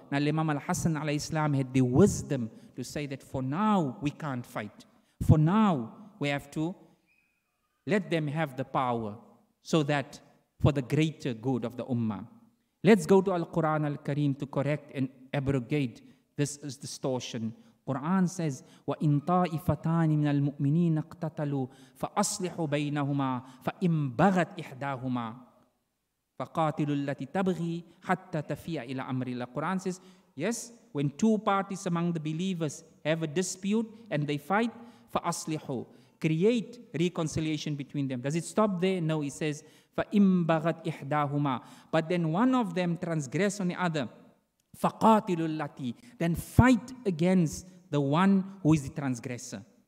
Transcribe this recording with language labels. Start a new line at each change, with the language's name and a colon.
English: Now Imam al-Hassan alayhi salam had the wisdom to say that for now we can't fight. For now we have to let them have the power so that for the greater good of the Ummah. Let's go to Al-Quran al-Kareem to correct and abrogate this distortion. Quran says,
Arabic: وَإِنْ طَائِفَتَانِ مِنَ الْمُؤْمِنِينَ اقْتَتَلُوا فَأَصْلِحُ بَيْنَهُمَا فَإِنْ بَغَتْ إِحْدَاهُمَا فَقَاتِلُ الَّتِي تَبْغِي حَتَّى تَفِيَ إِلَىٰ أَمْرِ اللَّهِ.
English: Quran says, yes, when two parties among the believers have a dispute and they fight,
Arabic: فَأَصْلِحُ,
English: create reconciliation between them. Does it stop there? No, he says,
Arabic: فَإِنْ بَغَتْ إِحْدَاهُمَا,
English: but then one of them transgress on the other,
Arabic: فَقَاتِلُ الَّتِي,
English: then fight against the one who is the transgressor.